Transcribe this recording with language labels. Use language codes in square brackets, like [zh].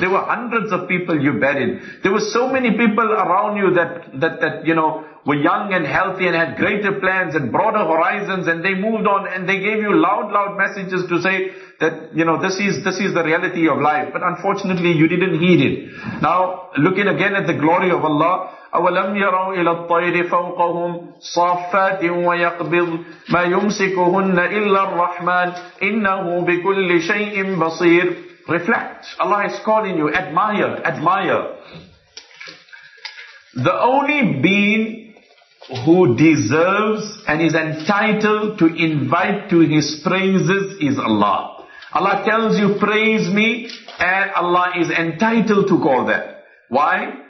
[en] There were hundreds of people you buried. There were so many people around you that you know, were young and healthy and had greater plans and broader horizons, and they moved on and they gave you loud messages to say that, you know, this is the reality of life. But unfortunately, you didn't heed it. Now, looking again at the glory of Allah, [ar] أَوَلَمْ يَرَوْا إِلَى الطَّيْرِ فَوْقَهُمْ صَافَّاتٍ وَيَقْبِضْ مَا يُمْسِكُهُنَّ إِلَّا الرَّحْمَنِ إِنَّهُ بِكُلِّ شَيْءٍ بَصِيرٍ. [en] Reflect. Allah is calling you. Admire. The only being who deserves and is entitled to invite to His praises is Allah. Allah tells you, praise me, and Allah is entitled to call that. Why?